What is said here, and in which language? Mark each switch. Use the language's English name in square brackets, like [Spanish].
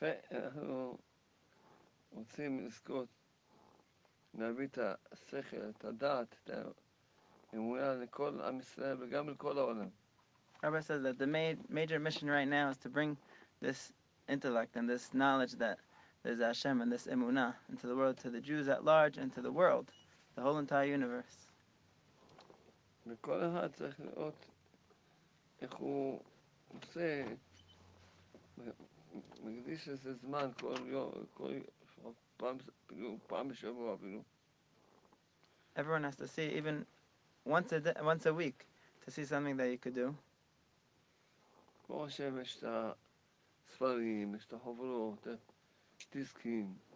[Hebrew] אנחנו רוצים לזכות להביא את השכל, את הדעת, את האמונה לכל עם ישראל וגם לכל העולם. [English] Rabbi says that the major mission right now is to bring this intellect and this knowledge that there's Hashem and this Emuna into the world, to the Jews at large and to the world, the whole entire universe. [Hebrew] וכל אחד צריך לראות איך הוא עושה מקדיש איזה זמן כל יום, פעם בשבוע אפילו. [English] Everyone has to see, even once a week, to see something that you could do. [Hebrew] כמו השם, יש את הספרים, יש את החוברות, דיסקים.